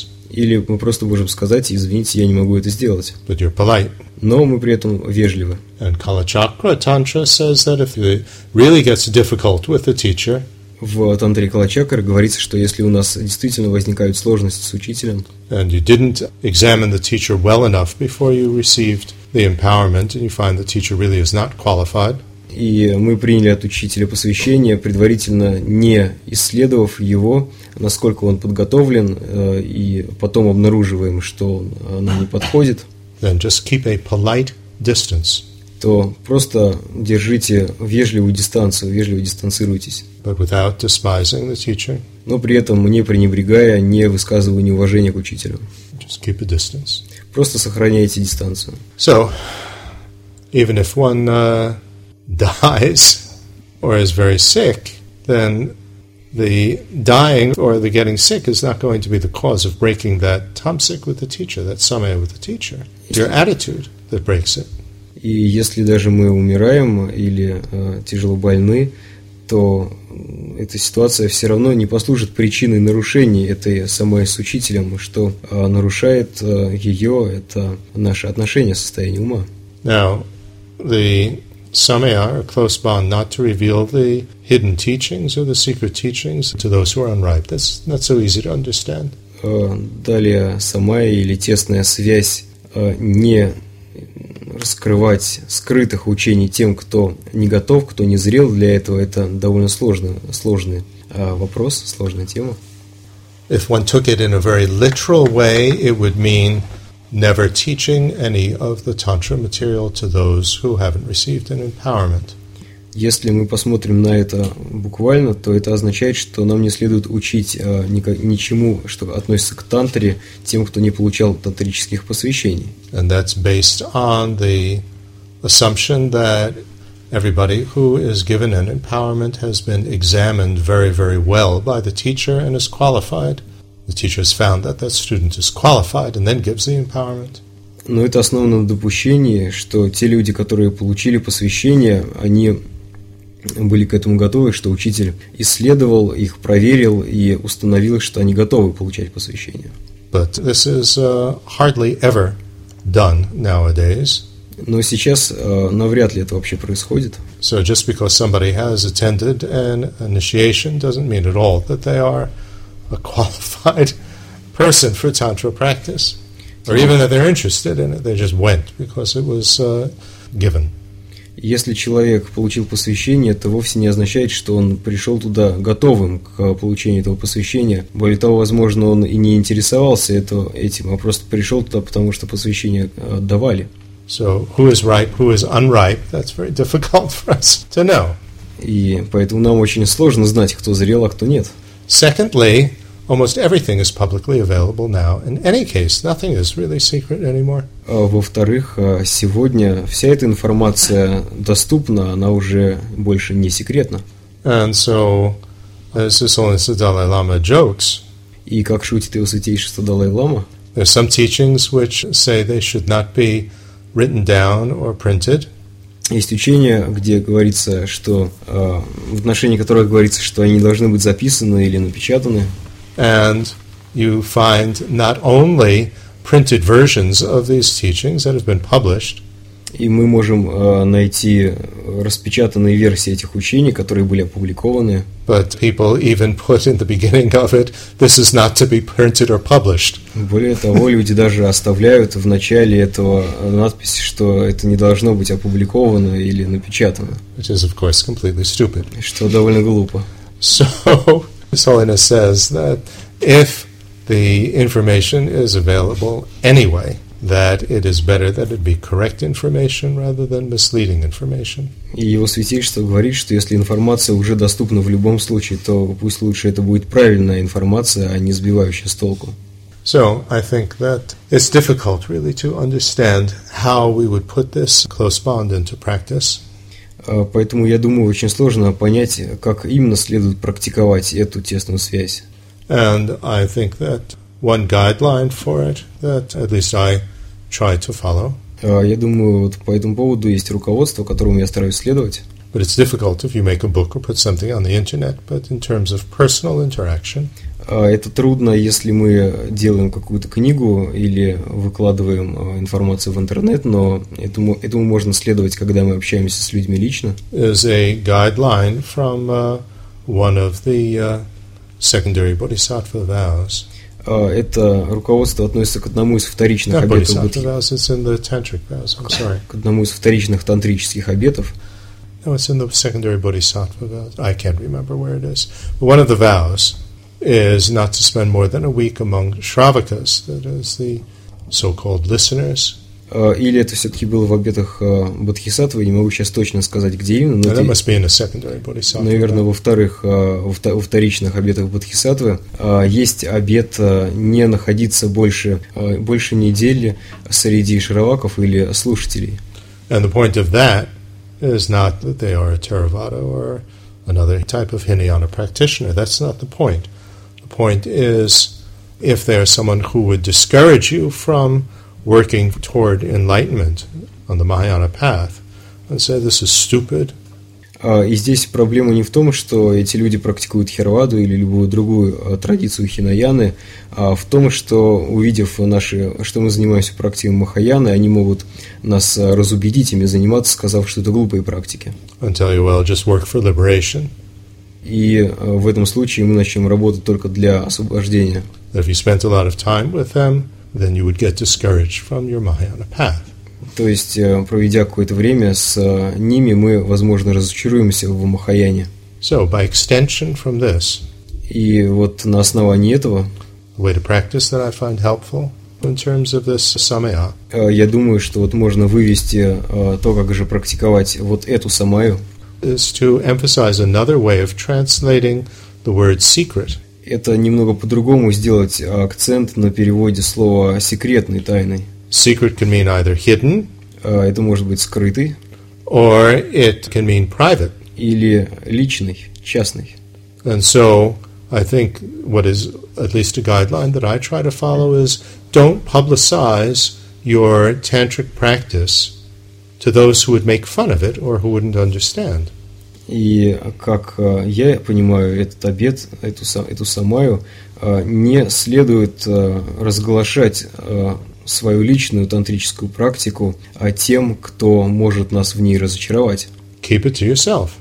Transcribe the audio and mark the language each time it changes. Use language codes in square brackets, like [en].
[ru] Или мы просто можем сказать, извините, я не могу это сделать. Но мы при этом вежливы. [en] And Kalachakra Tantra says that if it really gets difficult with the teacher, [ru] в тантре Калачакра говорится, что если у нас действительно возникают сложности с учителем, [en] and you didn't examine the teacher well enough before you received the empowerment, and you find the teacher really is not qualified, [ru] и мы приняли от учителя посвящение, предварительно не исследовав его, насколько он подготовлен, и потом обнаруживаем, что он нам не подходит, [en] then just keep a polite distance. [ru] То просто держите вежливую дистанцию, вежливо дистанцируйтесь. Но при этом не пренебрегая, не высказывая неуважения к учителю. [en] Just keep a distance. [ru] Просто сохраняйте дистанцию. [en] So, even if one dies or is very sick, then the dying or the getting sick is not going to be the cause of breaking that tamsik with the teacher, that samaya with the teacher. It's your attitude that breaks it. [ru] И если даже мы умираем или тяжело больны, то эта ситуация все равно не послужит причиной нарушения этой самой с учителем, что нарушает ее, это наше отношение, состояние ума. [en] Now, the samaya, or close bond, not to reveal the hidden teachings or the secret teachings to those who are unripe. That's not so easy to understand. [ru] Далее, самая или тесная связь не раскрывать скрытых учений тем, кто не готов, кто не зрел для этого, это довольно сложный вопрос, сложная тема. [en] If one took it in a very literal way, it would mean never teaching any of the tantra material to those who haven't received an empowerment. [ru] Если мы посмотрим на это буквально, то это означает, что нам не следует учить ничему, что относится к тантре, тем, кто не получал тантрических посвящений. [en] And that's based on the assumption that everybody who is given an empowerment has been examined very, very well by the teacher and is qualified. The teacher has found that that student is qualified and then gives the empowerment. [ru] Но это основано на допущении, что те люди, которые получили посвящение, они были к этому готовы, что учитель исследовал их, проверил и установил, что они готовы получать посвящение. [en] But this is hardly ever done nowadays. [ru] Но сейчас навряд ли это вообще происходит. [en] So just because somebody has attended an initiation doesn't mean at all that they are a qualified person for tantra practice, or even that they're interested in it. They just went because it was given. [ru] Если человек получил посвящение, это вовсе не означает, что он пришел туда готовым к получению этого посвящения. Более того, возможно, он и не интересовался этим, а просто пришел туда, потому что посвящение давали. [en] So who is ripe, who is unripe? That's very difficult for us to know. [ru] И поэтому нам очень сложно знать, кто зрел, а кто нет. [en] Secondly, almost everything is publicly available now. In any case, nothing is really secret anymore. [ru] Во-вторых, сегодня вся эта информация доступна, она уже больше не секретна. [en] And so, as this only the Dalai Lama jokes. [ru] И как шутит его святейшество Далай Лама? [en] There are some teachings which say they should not be written down or printed. [ru] Есть учения, где говорится, что в отношении которых говорится, что они должны быть записаны или напечатаны. [en] And you find not only printed versions of these teachings that have been published. [ru] И мы можем найти распечатанные версии этих учений, которые были опубликованы. [en] But people even put in the beginning of it, this is not to be printed or published. [ru] Более того, люди даже оставляют в начале этого надписи, что это не должно быть опубликовано или напечатано. [en] Which is, of course, completely stupid. [ru] Что довольно глупо. [en] So, His Holiness says that if the information is available anyway, that it is better that it be correct information rather than misleading information. [ru] И его святейшество говорит, что если информация уже доступна в любом случае, то пусть лучше это будет правильная информация, а не сбивающая с толку. [en] So, I think that it's difficult really to understand how we would put this close bond into practice. [ru] Поэтому, я думаю, очень сложно понять, как именно следует практиковать эту тесную связь. [en] And I think that one guideline for it that at least I try to follow. [ru] Я думаю, вот по этому поводу есть руководство, которому я стараюсь следовать. [en] But it's difficult if you make a book or put something on the internet, but in terms of personal interaction. [ru] Это трудно, если мы делаем какую-то книгу или выкладываем информацию в интернет, но этому можно следовать, когда мы общаемся с людьми лично. [en] Is a guideline from one of the secondary bodhisattva vows. [ru] Это руководство относится к одному из вторичных обетов. К одному из вторичных тантрических обетов. [en] No, it's in the secondary bodhisattva vows. I can't remember where it is. But one of the vows is not to spend more than a week among shravakas, that is the so-called listeners. [ru] Или это все-таки было в обетах бодхисаттвы, не могу сейчас точно сказать, где именно. Но [en] that must be in a secondary bodhisattva. [ru] Наверное, во-вторых, во вторичных обетах бодхисаттвы есть обет не находиться больше недели среди шраваков или слушателей. [en] And the point of that is not that they are a Theravada or another type of Hinayana practitioner. That's not the point. The point is, if there's someone who would discourage you from working toward enlightenment on the Mahayana path, and say, this is stupid. [ru] И здесь проблема не в том, что эти люди практикуют Хераваду или любую другую традицию Хинаяны, а в том, что, увидев наши, что мы занимаемся практикой Махаяны, они могут нас разубедить ими заниматься, сказав, что это глупые практики. [en] And tell you, well, just work for liberation. [ru] И в этом случае мы начнем работать только для освобождения. [en] If you spent a lot of time with them, then you would get discouraged from your Mahayana path. [ru] То есть, проведя какое-то время с ними, мы, возможно, разочаруемся в Махаяне. [en] So, by extension from this, [ru] и вот на основании этого, [en] way to practice that I find helpful in terms of this samaya, [ru] я думаю, что вот можно вывести то, как же практиковать вот эту самаю, [en] is to emphasize another way of translating the word secret. [ru] Это немного по-другому сделать акцент на переводе слова «секретный», «тайный». [en] Secret can mean either hidden, [ru] это может быть скрытый, [en] or it can mean private, [ru] или личный, частный. [en] And so, I think what is at least a guideline that I try to follow is don't publicize your tantric practice to those who would make fun of it or who wouldn't understand. [ru] И как я понимаю этот обет, эту самаю, не следует разглашать свою личную тантрическую практику тем, кто может нас в ней разочаровать. [en] Keep it to yourself.